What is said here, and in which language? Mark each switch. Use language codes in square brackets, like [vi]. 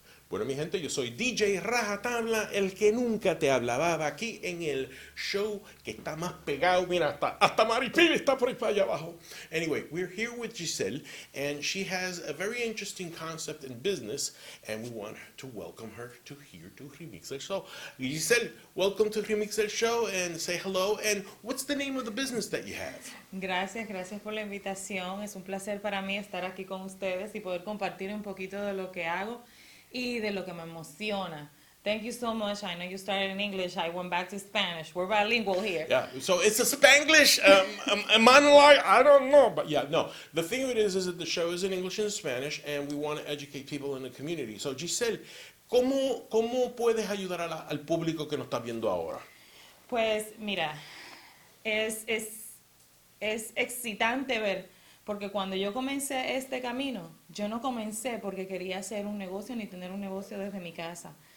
[es] Bueno, mi gente, yo soy DJ Rajatabla, el que nunca te hablaba aquí en el show que está más pegado. Mira, hasta Maripil está por ahí para allá abajo. [en] Anyway, we're here with Giselle, and she has a very interesting concept in business, and we want to welcome her to here to Remixel Show. Giselle, welcome to Remixel Show, and say hello, and what's the name of the business that you have? [es] Gracias, gracias por la invitación. Es un placer para mí estar aquí con ustedes y poder compartir un poquito de lo que hago. Y de lo que me emociona. [en] Thank you so much. I know you started in English. I went back to Spanish. We're bilingual here. Yeah, so it's a Spanglish monologue. I don't know, but yeah, no. The thing of it is that the show is in English and Spanish, and we want to educate people in the community. [es] So Giselle, ¿cómo puedes ayudar al público que nos está viendo ahora? Pues mira, es excitante ver. Porque cuando yo comencé este camino, yo no comencé porque quería hacer un negocio ni tener un negocio desde mi casa.